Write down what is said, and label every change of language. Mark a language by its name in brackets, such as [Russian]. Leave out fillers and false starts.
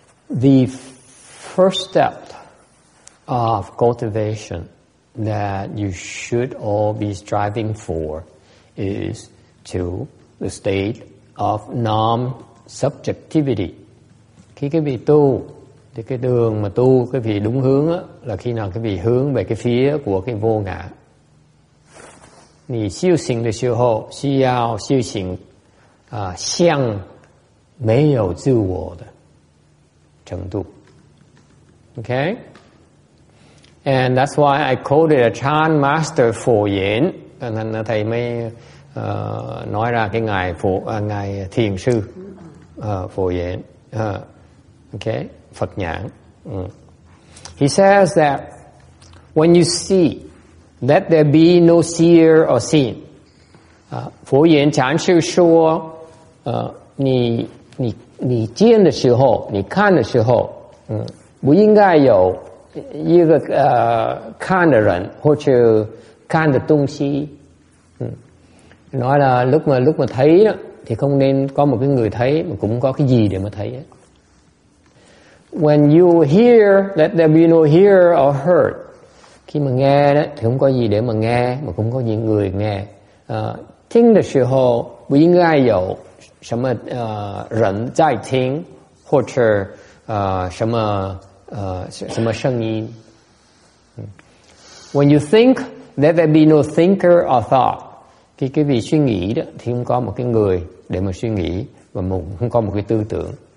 [English] The first step of cultivation that you should all be striving for is to the state of non-subjectivity. [Vietnamese] Khi quý vị tu, thì cái đường mà tu quý vị đúng hướng á, là khi nào quý vị hướng về cái phía của cái vô ngã. [Chinese] 你修行的时候需要修行啊，向没有自我的程度。 [English] Okay? And that's why I quoted a Chan master Phổ Yến. [Vietnamese] Cho nên thầy mới nói ra cái ngài phổ, ngài thiền sư Phổ Yến. [English] Okay? Phật Nhãn. He says that when you see, let there be no seer or seen. [Chinese] 佛言禅师说，你见的时候，你看的时候，不应该有一个看的人或者看的东西。 [Vietnamese] Nói là lúc mà thấy thì không nên có một cái người thấy mà cũng có cái gì để mà thấy. [English] When you hear, let there be no hear or heard. [Vietnamese] Khi mà nghe đó, thì không có gì để mà nghe, mà cũng có những người nghe. Thính được sự hồ, bởi vì ai dẫu, sẽ mà rẩn dài thính, hoặc là sẽ mà sân yên. [English] When you think, let there be no thinker or thought. [Vietnamese] Khi cái vị suy nghĩ đó, thì không có một cái người để mà suy nghĩ, và không có một cái tư tưởng.